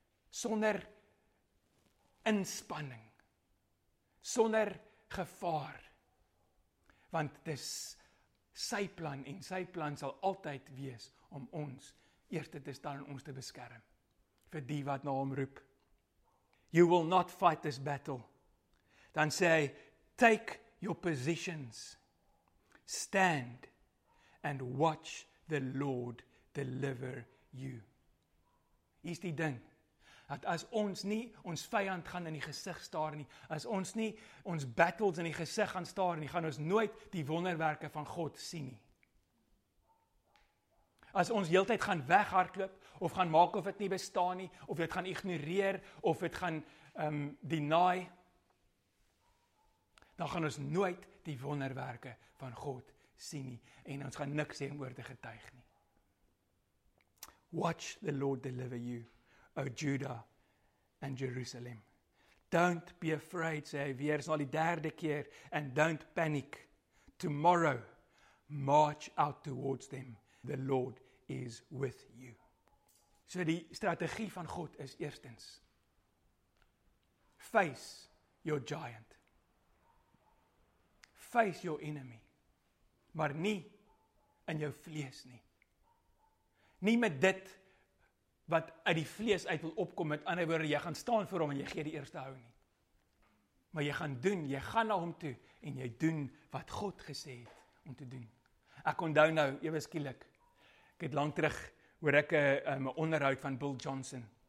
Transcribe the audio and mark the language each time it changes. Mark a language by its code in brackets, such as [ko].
[af] Sonder inspanning. Sonder gevaar. Want dis sy plan en sy plan sal altyd wees om ons eerste te staan en ons te beskerm, vir die wat na hom roep. [en] You will not fight this battle. [af] Dan sê hy, [en] take your positions, stand and watch the Lord deliver you. [af] Is die ding, dat as ons nie ons vyand gaan in die gesig staar nie, as ons nie ons battles in die gesig gaan staar nie, gaan ons nooit die wonderwerke van God sien nie. As ons heeltyd gaan weghardloop, of gaan maak of het nie bestaan nie, of het gaan ignoreer, of het gaan deny, dan gaan ons nooit die wonderwerke van God sien nie, en ons gaan niks sê om oor te getuig nie. [en] Watch the Lord deliver you, O Judah and Jerusalem. Don't be afraid, [af] sê hy weer, is al die derde keer, [en] and don't panic. Tomorrow, march out towards them. The Lord is with you. [af] So die strategie van God is eerstens, [en] face your giant. Face your enemy. [af] Maar nie in jou vlees nie. Nie met dit wat uit die vlees uit wil opkom, met ander woorde, jy gaan staan voor hom en jy gee die eerste hou nie. Maar jy gaan doen, jy gaan na hom toe en jy doen wat God gesê het om te doen. Ek onthou nou, ewe skielik, ek het lang terug, hoor ek een onderhoud van Bill Johnson.